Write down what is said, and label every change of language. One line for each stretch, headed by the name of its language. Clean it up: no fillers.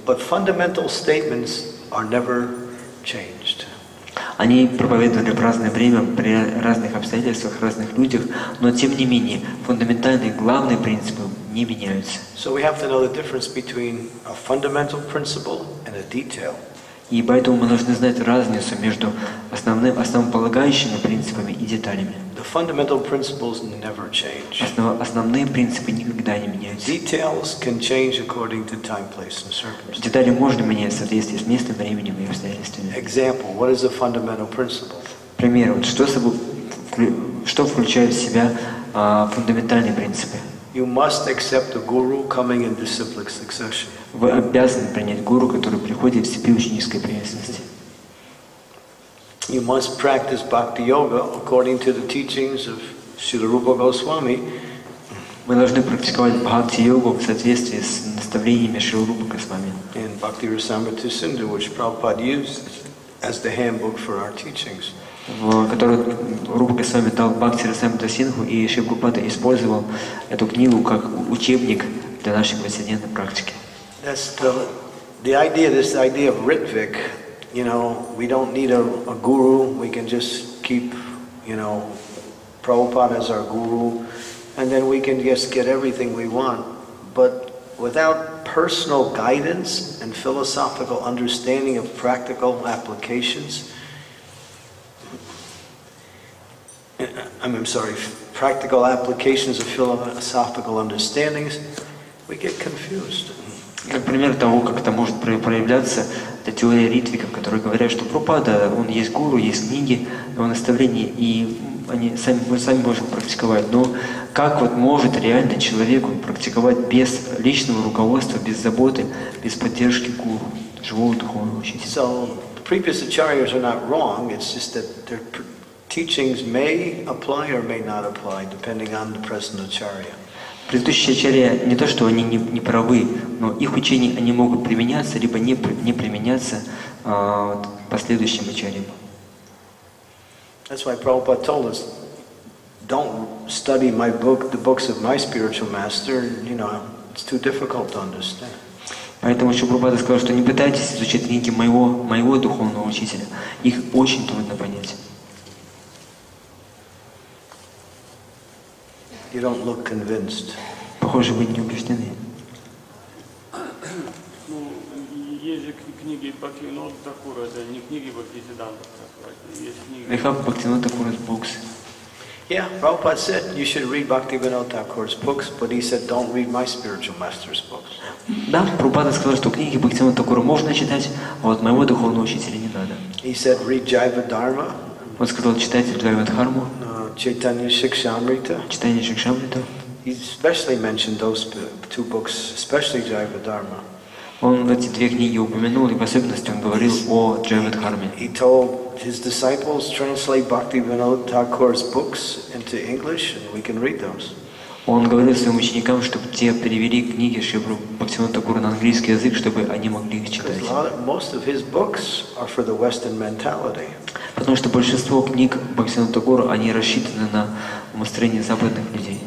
English: But fundamental statements are never changed.
Russian: Они проповедовали в разное время, при разных обстоятельствах, разных людях, но тем не менее, фундаментальные, главные принципы не меняются.
English: So we have to know the difference between a fundamental principle and a detail.
Russian: И поэтому мы должны знать разницу между основополагающими принципами и деталями.
English: The fundamental principles never change.
Russian: Основные принципы никогда не меняются.
English: Details can change according to time, place, and circumstances.
Russian: Детали можно менять в соответствии с местом, временем и обстоятельствами.
English: Example: what is a fundamental principle?
Russian: Пример: вот что включает в себя фундаментальные принципы?
English: You must accept a guru coming in disciplic succession.
Russian: Вы обязаны принять гуру, который приходит в степи ученической преемственности.
English: You must practice bhakti yoga according to the teachings of Srila Rupa Goswami.
Russian: Мы должны практиковать бхакти йогу в соответствии с наставлениями Шрилы Рупы Госвами.
English: And bhakti rasamrita sindhu, which Prabhupada used as the handbook for our teachings.
Russian: Которую Рупа Госвами дал бхакти расамрита сингху, и Шрила Прабхупада использовал эту книгу как учебник для нашей повседневной практики.
English: That's the idea. This idea of ritvik, you know, we don't need a guru. We can just keep, you know, Prabhupada as our guru, and then we can just get everything we want. But without personal guidance and philosophical understanding of practical applications, practical applications of philosophical understandings, we get confused.
Russian: Как пример того, как это может проявляться, это теория ритвиков, которые говорят, что Прабхупада, он есть гуру, есть книги, его наставления, и мы сами можем практиковать. Но как вот может реально человеку практиковать без личного руководства, без заботы, без поддержки гуру, живого духовного учителя?
English: So, previous acharyas are not wrong, it's just that their teachings may apply or may not apply, depending on the present acharya.
Russian: Предыдущие ачарьи не то, что они не правы, но их учения они могут применяться либо не применяться последующим ачарьям.
English: That's why Prabhupada told us, don't study my book, the books of my spiritual master. You know, it's too difficult to understand.
Russian: Поэтому Шрила Прабхупада сказал, что не пытайтесь изучать книги моего духовного учителя. Их очень трудно понять.
English: You don't look convinced.
Russian: Похоже, вы не убеждены. Ну, есть же книги Бхактивинода Тхакура, это не книги Бхактисиддханта Сарасвати.
English: They have Бхактивинода Тхакура's books. Yeah, Prabhupada said you should read Бхактивинода Тхакура's books, but he said don't read my spiritual master's books.
Russian: Да, Прабхупада сказал, что книги Бхактивинода Тхакура можно читать, а вот моего духовного учителя не надо.
English: He said read Jiva Dharma.
Russian: Он сказал, читайте Джайва Дхарму.
English: Chaitanya Shikshamrita. He especially mentioned those two books, especially Jiva Dharma.
Russian: Он эти две книги упомянул, и в особенности он говорил о Джаядхарме.
English: He told his disciples translate Bhaktivinoda Thakur's books into English, and we can read those.
Russian: Он говорил своим ученикам, чтобы те перевели книги Шри Бхактивинода Тхакура на английский язык, чтобы они могли их читать. Потому что большинство книг Бхактивинода Тхакура, они рассчитаны на умозрение западных людей.